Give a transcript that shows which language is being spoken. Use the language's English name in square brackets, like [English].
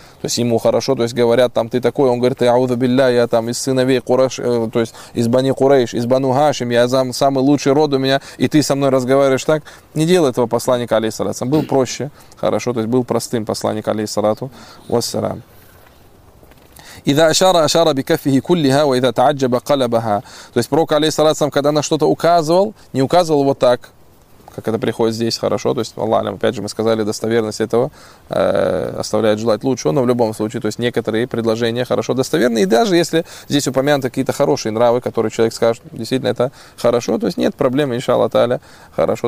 [Russian] То есть ему хорошо, то есть говорят, там, ты такой, он говорит, а'удзу билляхи, я там из сыновей Кураш, то есть из Бани Курейш, из Бану Хашим, я сам самый лучший род у меня, и ты со мной разговариваешь так. Не делай этого посланника, алейхиссалям. Был проще, хорошо, то есть был простым посланник, алейхиссалату вассалям. [Arabic] إذا أشار أشار بكفه كلها وإذا تعجب قلبها. [Russian] То есть пророк алейхиссалям, когда на что-то указывал, не указывал вот так, как это приходит здесь, хорошо. То есть Аллах, опять же, мы сказали, достоверность этого оставляет желать лучшего. Но в любом случае, то есть некоторые предложения хорошо достоверны. И даже если здесь упомянуты какие-то хорошие нравы, которые человек скажет, действительно это хорошо, то есть нет проблем, иншалла таля, хорошо.